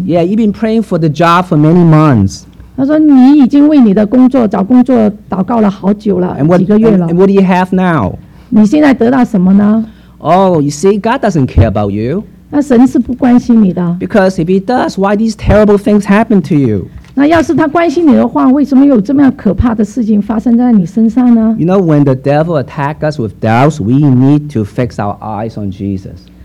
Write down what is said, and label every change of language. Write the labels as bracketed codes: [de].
[en] Yeah, you've been praying for the job for many months. [zh] 他说你已经为你的工作找工作祷告了好久了， [en] what, [zh] 几个月了。 [en] And what do you have now? [zh] 你现在得到什么呢？ [en] Oh, you see, God doesn't care about you. [zh] 那神是不关心你的。 [en] Because if he does, why these terrible things happen to you? [zh] 那要是他关心你的话，为什么有这么样可怕的事情发生在你身上呢？ [en] You know, when the devil attack us with doubts, we need to fix our eyes on Jesus.